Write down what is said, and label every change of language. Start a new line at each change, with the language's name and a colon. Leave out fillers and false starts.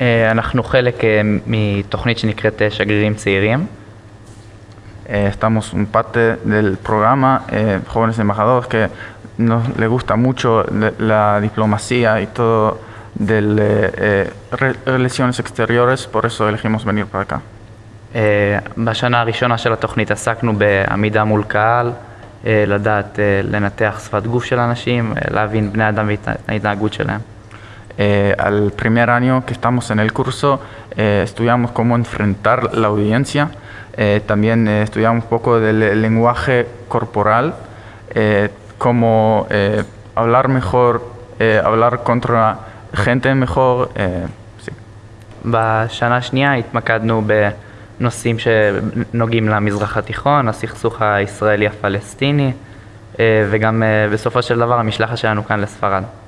Hebrew: אנחנו חלק מתוכנית שנקראת שגרירים צעירים.
Spanish: Estamos un parte del programa Jóvenes Embajadores, que nos le gusta mucho la diplomacia y todo de relaciones exteriores, por eso elegimos venir para acá.
Hebrew: בשנה הראשונה של התוכנית עסקנו בעמידה מול קהל, לדעת לנתח שפת גוף של אנשים, להבין בני אדם וההתנהגות שלהם.
Spanish: Al primer año que estamos en el curso, estudiamos cómo enfrentar la audiencia, también estudiamos un poco del lenguaje corporal, cómo hablar mejor, hablar contra gente mejor, sí.
Hebrew: בשנה השנייה התמקדנו ב נושאים שנוגעים למזרח התיכון, הסכסוך הישראלי-הפלסטיני, וגם בסופו של דבר המשלחת שלנו כאן לספרד.